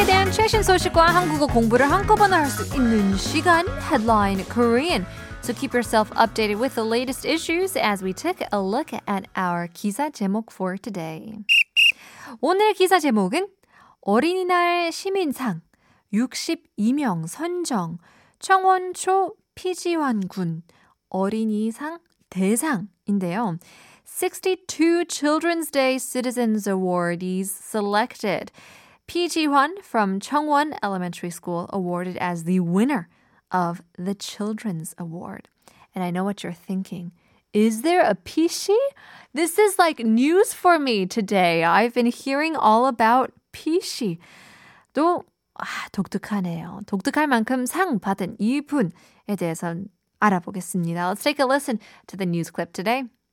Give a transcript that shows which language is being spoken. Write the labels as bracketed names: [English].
[Korean] 최신 소식과 한국어 공부를 한꺼번에 할 수 있는 시간, Headline Korean. [English] So keep yourself updated with the latest issues as we take a look at our [Korean] 기사 제목 [English] for today. [Korean] 오늘의 기사 제목은 어린이날 시민상 62명 선정 청원초 피지환군 어린이상 대상인데요. [English] 62 Children's Day Citizens Awardees selected. Pijiwon from Cheongwon Elementary School awarded as the winner of the Children's Award. And I know what you're thinking. Is there a Pishi? This is like news for me today. I've been hearing all about Pishi. [Korean] 또 독특하네요. 독특할 만큼 상 받은 이분에 대해서는 알아보겠습니다. [English] Let's take a listen to the news clip today.